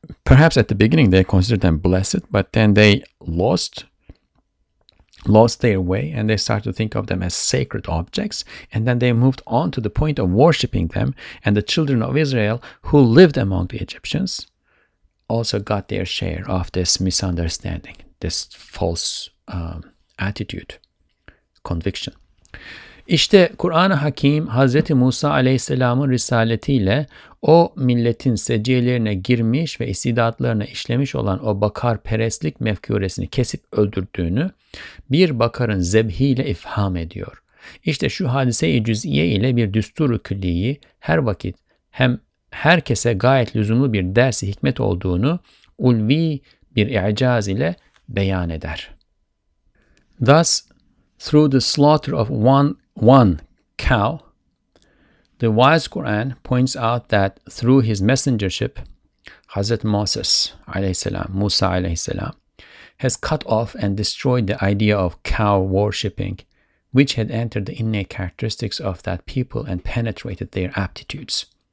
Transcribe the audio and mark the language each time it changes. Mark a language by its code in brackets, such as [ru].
[en] perhaps at the beginning they considered them blessed, but then they lost their way, and they started to think of them as sacred objects, and then they moved on to the point of worshiping them, and the children of Israel who lived among the Egyptians also got their share of this misunderstanding, this false attitude, conviction. [tr] İşte Kur'an-ı Hakim Hazreti Musa Aleyhisselam'ın risaletiyle o milletin seciyelerine girmiş ve istidatlarına işlemiş olan o bakar perestlik mefkûresini kesip öldürdüğünü bir bakarın zebhiyle ifham ediyor. İşte şu hadise-i cüz'iye ile bir düstur-u külliyi her vakit hem herkese gayet lüzumlu bir ders-i hikmet olduğunu ulvi bir i'caz ile beyan eder. [en] Thus, through the slaughter of one cow, the wise Quran points out that through his messengership, Hazrat Moses alayhi salam, Musa alayhi salam, has cut off and destroyed the idea of cow worshipping, which had entered the innate characteristics of that people and penetrated their aptitudes.